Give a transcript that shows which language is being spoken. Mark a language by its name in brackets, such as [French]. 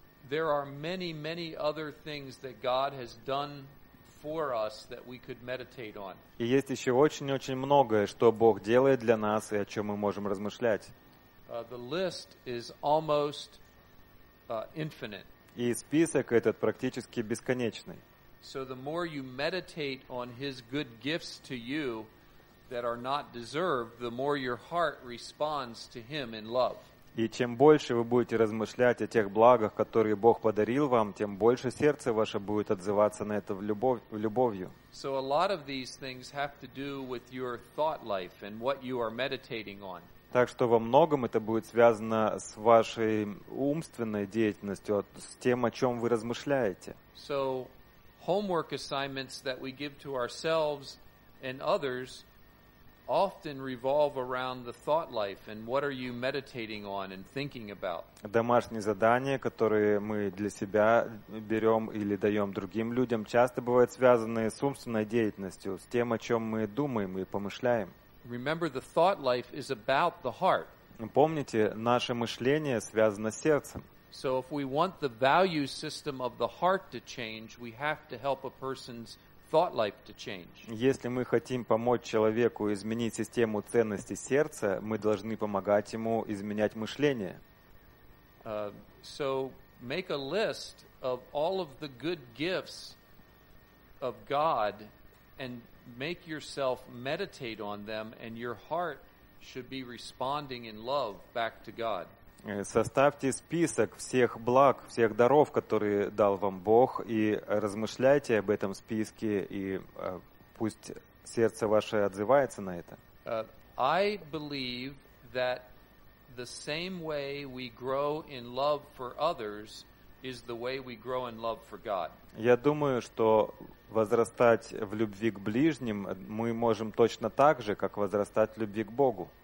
[English] There are many, many other things that God has done for us that we could meditate on. [Russian] И есть еще очень-очень многое, что Бог делает для нас и о чем мы можем размышлять. [English] The list is almost infinite. [Russian] И список этот практически бесконечный. [English] So the more you meditate on his good gifts to you that are not deserved, the more your heart responds to him in love. [Russian] И чем больше вы будете размышлять о тех благах, которые Бог подарил вам, тем больше сердце ваше будет отзываться на это любовью. [English] So a lot of these things have to do with your thought life and what you are meditating on. [Russian] Так что во многом это будет связано с вашей умственной деятельностью, с тем, о чем вы размышляете. [English] So homework assignments that we give to ourselves and others often revolve around the thought life and what are you meditating on and thinking about. [Russian] Домашние задания, которые мы для себя берем или даем другим людям, часто бывают связаны с умственной деятельностью, с тем, о чем мы думаем и помышляем. [English] Remember, the thought life is about the heart. [Russian] Помните, наше мышление связано с сердцем. [English] So if we want the value system of the heart to change, we have to help a person's thought life to change. [Russian] Если мы хотим помочь человеку изменить систему ценностей сердца, мы должны помогать ему изменять мышление. [English] So make a list of all of the good gifts of God and make yourself meditate on them, and your heart should be responding in love back to God. [Russian] Составьте список всех благ, всех даров, которые дал вам Бог, и размышляйте об этом списке, и пусть сердце ваше отзывается на это. [English] I believe that the same way we grow in love for others is the way we grow in love for God. [Russian] Я думаю, что возрастать в любви к ближним мы можем точно так же, как возрастать в любви к Богу.